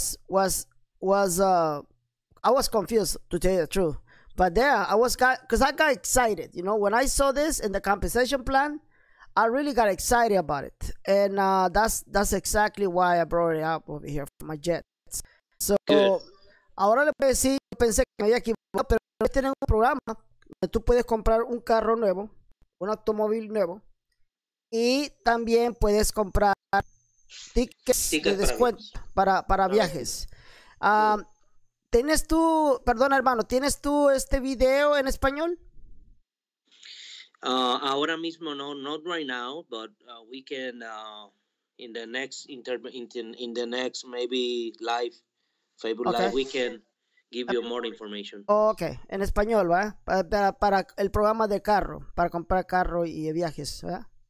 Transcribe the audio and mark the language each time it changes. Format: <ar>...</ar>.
<en>I was confused to tell you the truth, but there I got excited. You know, when I saw this in the compensation plan, I really got excited about it. And, that's exactly why I brought it up over here for my jets.</en> <es>So, ahora le voy a decir, pensé que me había equivocado, pero tienen un programa donde tú puedes comprar un carro nuevo, un automóvil nuevo, y también puedes comprar tickets de descuento para viajes. ¿Tienes tú, perdona hermano, tienes tú este video en español? Ahora mismo no,</es> <en>not right now, but we can in the next maybe live Facebook live, we can give you more information.</en> <es>Okay, en español, ¿va? Para el programa de carro, para comprar carro y viajes, ¿va?</es>